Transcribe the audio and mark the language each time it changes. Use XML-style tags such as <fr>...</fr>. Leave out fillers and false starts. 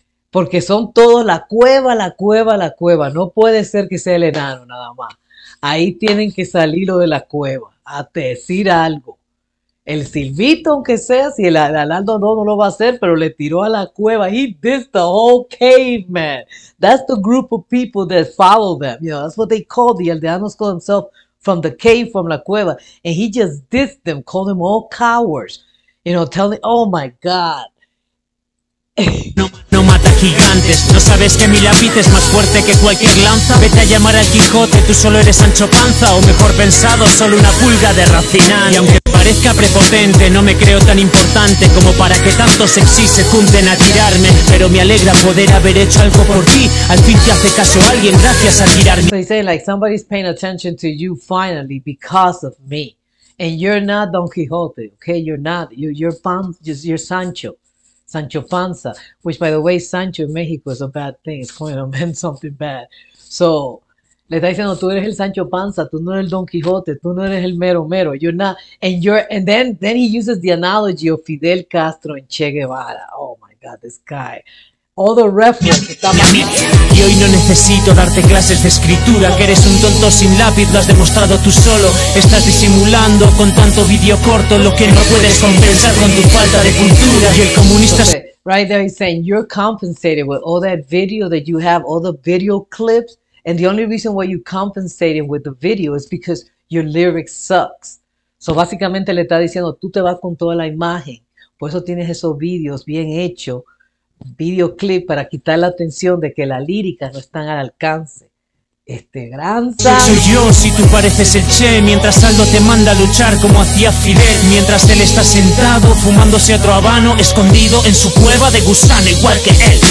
<es>Porque son todos la cueva, la cueva, la cueva. No puede ser que sea el enano nada más. Ahí tienen que salir lo de la cueva a decir algo. El silbito, aunque sea, si el Arnaldo no lo va a hacer, pero le tiró a la cueva.</es> <en>He did the whole cave, man. That's the group of people that follow them. You know, that's what they call the aldeanos, call themselves from the cave, from la cueva. And he just dissed them, called them all cowards. You know, tell me, oh my God.</en> <es>No, no mata gigantes. ¿No sabes que mi lápiz es más fuerte que cualquier lanza? Vete a llamar al Quijote, tú solo eres Sancho Panza. O mejor pensado, solo una pulga de Rocinante. Y aunque parezca prepotente, no me creo tan importante como para que tantos sexys se junten a tirarme. Pero me alegra poder haber hecho algo por ti. Al fin te hace caso alguien gracias a tirarme.</es> <en>So he's saying like somebody's paying attention to you finally because of me. And you're not Don Quijote, okay? You're not. You're Sancho. Sancho Panza, which by the way, Sancho</en> <es>en México</es> <en>is a bad thing. It's going to mean something bad.</en> <es>So, le está diciendo, tú eres el Sancho Panza, tú no eres el Don Quijote, tú no eres el mero mero.</es> <en>You're not. And then he uses the analogy of Fidel Castro en Che Guevara. Oh my God, this guy. All the reference</en> <es>está mal. Y hoy no necesito darte clases de escritura. Que eres un tonto sin lápiz, lo has demostrado tú solo. Estás disimulando con tanto vídeo corto lo que no puedes compensar con tu falta de cultura. Y el comunista.</es> <en>Okay. Right there, he's saying you're compensated with all that video that you have, all the video clips, and the only reason why you're compensating with the video is because your lyrics sucks.</en> <es>So básicamente le está diciendo, tú te vas con toda la imagen, por eso tienes esos videos bien hechos. Videoclip para quitar la atención de que la lírica no está al alcance. Este gran Soy yo, si tú pareces el Che. Mientras Aldo te manda a luchar como hacía Fidel. Mientras él está sentado fumándose otro habano, escondido en su cueva de gusano igual que él.</es>